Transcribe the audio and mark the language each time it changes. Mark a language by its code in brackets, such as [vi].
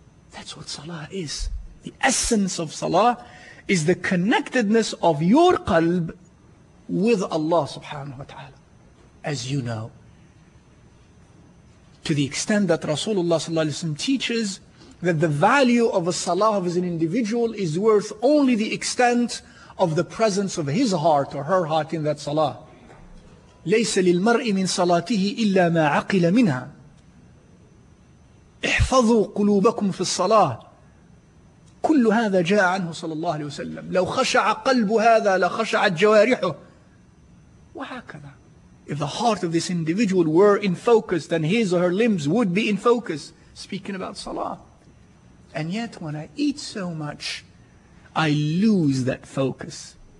[en] That's what Salah is. The essence of Salah is the connectedness of your qalb with Allah subhanahu wa ta'ala. As you know, to the extent that Rasulullah sallallahu alayhi wa sallam teaches that the value of a Salah as an individual is worth only the extent of the presence of his heart or her heart in that Salah. [ar] ليس للمرء من صلاته إلا ما عقل منها احفظوا قلوبكم في الصلاة كل هذا جاء عنه صلى الله عليه وسلم لو خشع قلب هذا لخشعت جوارحه وهكذا. [en] If the heart of this individual were in focus, then his or her limbs would be in focus, speaking about salah. And yet when I eat so much, I lose that focus.